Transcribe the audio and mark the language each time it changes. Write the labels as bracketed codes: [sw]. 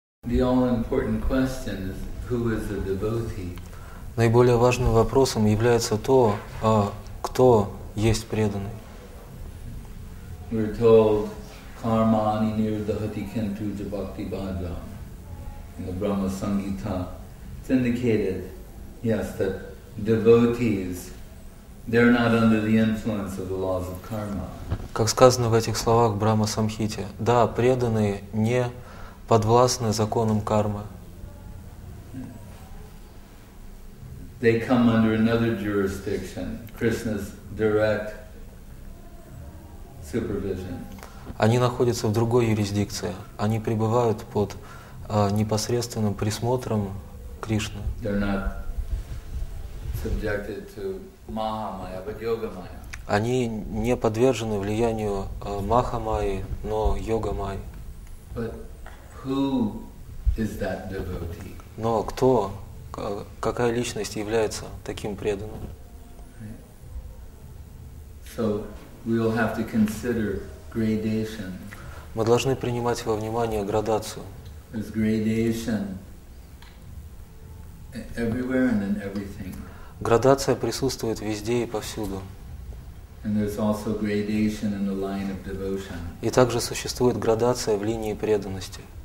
[en] The all-important question is, who is a devotee? [ru] Наиболее важным вопросом является то, кто есть преданный. [en] We're told, [sa] Karmani nirdhati kentu jabhakti bhajam. [en] In the Brahma Sangita, it's indicated, yes, that devotees, they're not under the influence of the laws of karma. [ru] Как сказано в этих словах Брахма Самхите, да, преданные не подвластны законам кармы. [en] They come under another jurisdiction, Krishna's direct supervision. [ru] Они находятся в другой юрисдикции. Они пребывают под непосредственным присмотром Кришны. [en] They're not subjected to Mahamaya, but Yoga Maya. [ru] Они не подвержены влиянию Махамайи, но Йогамайи. [en] But who is that devotee? [ru] Но кто, какая личность является таким преданным? [en] So we will have to consider gradation. [ru] Мы должны принимать во внимание градацию. [en] There's gradation everywhere and in everything. [ru] Градация присутствует везде и повсюду. [en] And there's also gradation in the line of devotion. [ru] И также существует градация в линии преданности.